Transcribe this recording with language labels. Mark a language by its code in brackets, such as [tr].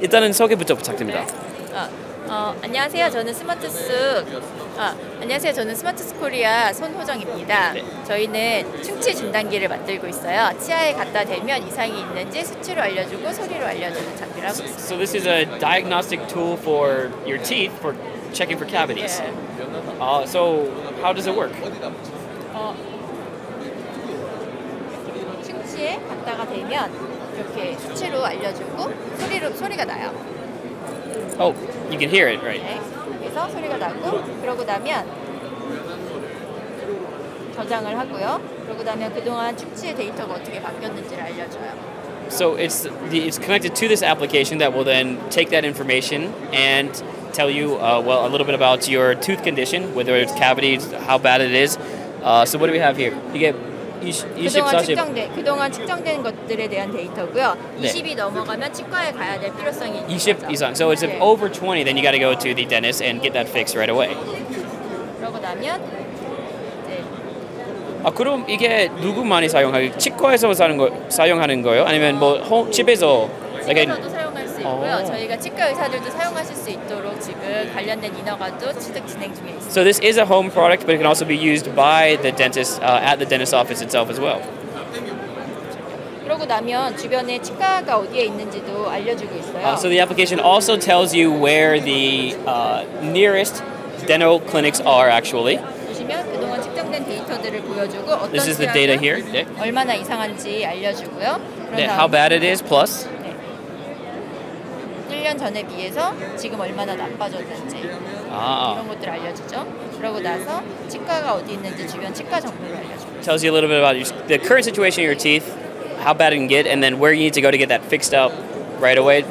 [ko] 일단은 소개부터 부탁드립니다. 안녕하세요. 저는 스마투스. 안녕하세요. 저는 스마투스코리아 손호정입니다. 저희는 충치 진단기를 만들고 있어요. 치아에 갖다 대면 이상이 있는지 수치로 알려주고 소리로 알려주는 장비라고 있습니다. [en] So this is a diagnostic tool for your teeth for checking for cavities. Yeah. So how does it work? [ko] 충치에 갖다가 대면 이렇게 수치로 알려주고 소리가 나요. [en] Oh, you can hear it, right? [ko] 그래서 소리가 나고 그러고 나면 저장을 하고요. 그러고 나면 그동안 충치의 데이터가 어떻게 바뀌었는지를 알려줘요. [en] So it's connected to this application that will then take that information and tell you well a little bit about your tooth condition, whether it's cavities, how bad it is. So what do we have here? You get [ko] 그동안 측정된 것들에 대한 데이터고요. 네. 20이 넘어가면 치과에 가야 될 필요성이 있는 20 거죠. [en] Is on. So it's [ko] 네. [en] over 20, then you got to go to the dentist and get that fixed right away. [ko] 그러고 나면 이제 아 그럼 이게 누구 많이 사용하기 치과에서 사용하는 거예요? 아니면 뭐 집에서 집에서도 사용할 수 있고요. 저희가 치과 의사들도 사용하실 수 있도록 지금 관련된 인허가도 취득 진행 중에 있습니다. [en] So this is a home product, but it can also be used by the dentist at the dentist office itself as well. [ko] 그러고 나면 주변에 치과가 어디에 있는지도 알려주고 있어요. [en] So the application also tells you where the nearest dental clinics are actually. [ko] 보시면 그동안 측정된 데이터들을 보여주고 어떤 [en] This is the data here. 네. [ko] 얼마나 이상한지 알려주고요. [en] 네, how bad it is plus [ko] 1년 전에 비해서 지금 얼마나 나빠졌는지 이런 것들 알려주죠. 그러고 나서 치과가 어디 있는지 주변 치과 정보를 알려줘요. [en] Tells you a little bit about the current situation of your teeth, how bad it can get, and then where you need to go to get that fixed up right away.